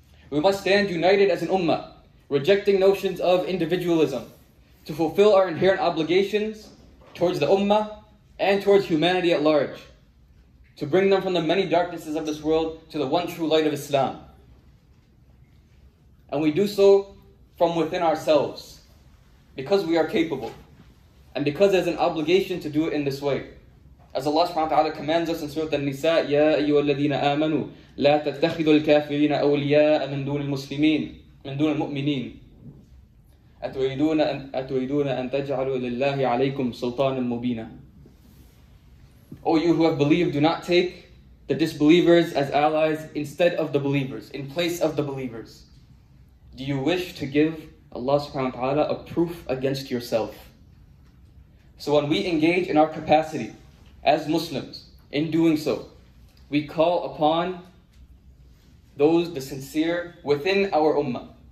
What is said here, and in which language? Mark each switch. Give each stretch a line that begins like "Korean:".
English: We must stand united as an ummah, rejecting notions of individualism, to fulfill our inherent obligations towards the ummah and towards humanity at large. to bring them from the many darknesses of this world to the one true light of Islam. And we do so from within ourselves, because we are capable, and because there's an obligation to do it in this way. As Allah subhanahu wa ta'ala commands us in Surah An-Nisa,
Arabic: يَا أَيُّوَا الَّذِينَ آمَنُوا لَا تَتَّخِذُوا الْكَافِرِينَ أَوْلِيَاءَ مِنْ دُونِ الْمُسْلِمِينَ مِنْ دُونِ الْمُؤْمِنِينَ أَتُرِيدُونَ أَنْ تَجْعَلُوا لِلَّهِ عَلَيْكُمْ سُلْطَانًا مُبِينًا.
English: O you who have believed, do not take the disbelievers as allies instead of the believers, in place of the believers. Do you wish to give Allah subhanahu wa ta'ala a proof against yourself? So when we engage in our capacity as Muslims, in doing so, we call upon those, the sincere within our ummah.